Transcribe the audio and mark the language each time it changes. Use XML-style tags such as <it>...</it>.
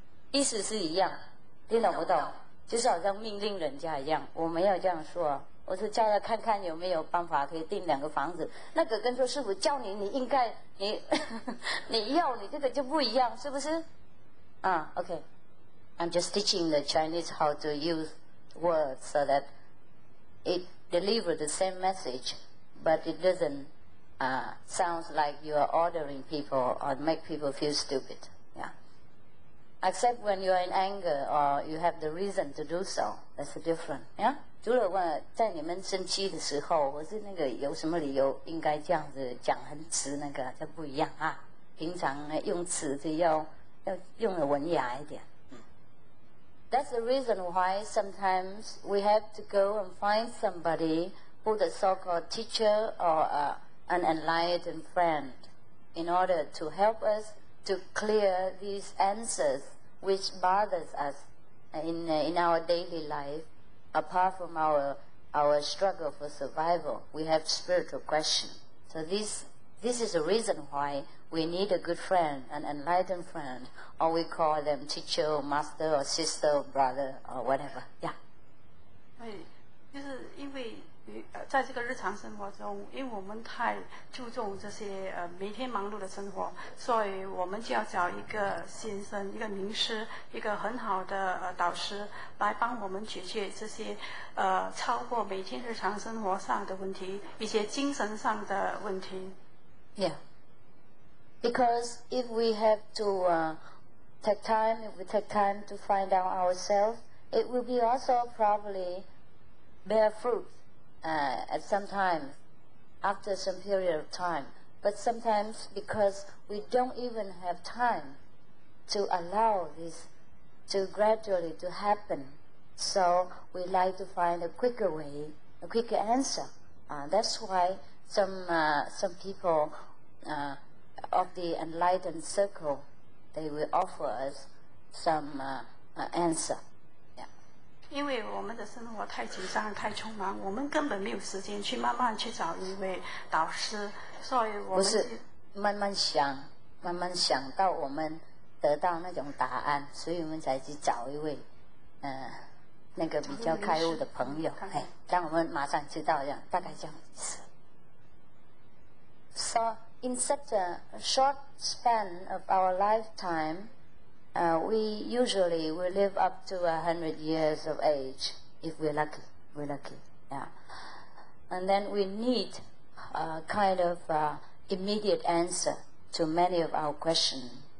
<zh>意思是一样，听懂不懂？就是好像命令人家一样。我没有这样说，我是叫他看看有没有办法可以订两个房子。那个跟说师傅叫你应该，你要你这个就不一样，是不是？</zh> <en>Okay. I'm just teaching the Chinese how to use words so that it delivers the same message, but it doesn't sound like you are ordering people or make people feel stupid. Yeah. Except when you are in anger or you have the reason to do so, that's different. Yeah.</en> <zh>除了问在你们生气的时候，我是那个有什么理由应该这样子讲很直那个，这不一样啊。平常用词是要用的文雅一点。</zh> <en>That's the reason why sometimes we have to go and find somebody who the so-called teacher or an enlightened friend in order to help us to clear these answers which bothers us in our daily life. Apart from our struggle for survival, we have spiritual questions. So these This is the reason why we need a good friend, an enlightened friend, or we call them teacher, master, or sister, or brother, or whatever. Yeah.</en> <zh>就是因为在这个日常生活中，因为我们太注重这些每天忙碌的生活，所以我们就要找一个先生、一个名师、一个很好的导师来帮我们解决这些超过每天日常生活上的问题，一些精神上的问题。</zh> <en>Yeah, because if we have to take time to find out ourselves, it will be also probably bear fruit at some time, after some period of time. But sometimes because we don't even have time to allow this to gradually to happen, so we like to find a quicker way, a quicker answer. That's why some people... of the enlightened circle, they will offer us some answer. Yeah.</en> <zh>因为我们的生活太紧张、太匆忙，我们根本没有时间去慢慢去找一位导师，所以我们不是慢慢想，慢慢想到我们得到那种答案，所以我们才去找一位，那个比较开悟的朋友，哎，让我们马上知道，这样大概这样子。</zh> <en>So. In such a short span of our lifetime, we usually will live up to 100 years of age, if we're lucky. We're lucky, yeah. And then we need a kind of immediate answer to many of our questions.</en>